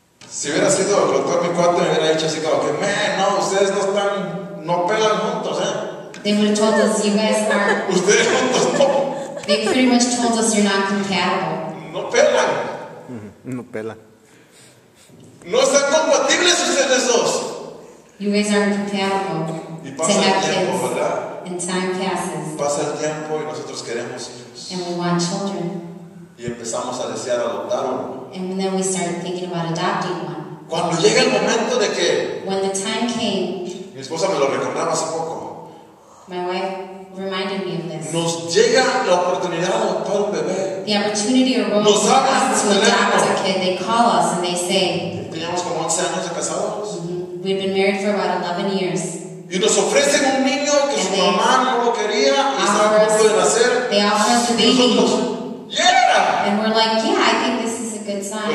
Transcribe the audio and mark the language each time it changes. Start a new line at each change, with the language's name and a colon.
Spanish: Si hubiera sido el doctor mi cuarto, me hubiera dicho así como que, man, no, ustedes no están, no pelan juntos, ¿eh?
English: They would have told us, you guys are.
Spanish: Ustedes juntos no.
English: They pretty much told us you're not compatible.
Spanish: No pelan. No pela. No están compatibles ustedes dos.
English: You guys aren't compatible.
Spanish: Y pasa el tiempo, ¿verdad?
English: And time passes.
Spanish: Pasa el tiempo y nosotros queremos hijos.
English: And we want children.
Spanish: Y empezamos a desear adoptar uno.
English: And then we started thinking about adopting one.
Spanish: Cuando llega el momento de que.
English: When the time came.
Spanish: Mi esposa me lo recordaba hace poco.
English: My wife reminded me of this.
Spanish: Nos llega la oportunidad de adoptar un bebé.
English: The opportunity arose
Spanish: nos
English: for us to adopt a kid. They call us and they say.
Spanish: Teníamos como 11 años de casados.
English: We've been married for about 11 years.
Spanish: Y nos ofrecen un niño que su mamá no lo quería y estaba a punto de nacer.
English: They offer us a baby.
Spanish: Nosotros, yeah!
English: And we're like, yeah, I think this is a good sign.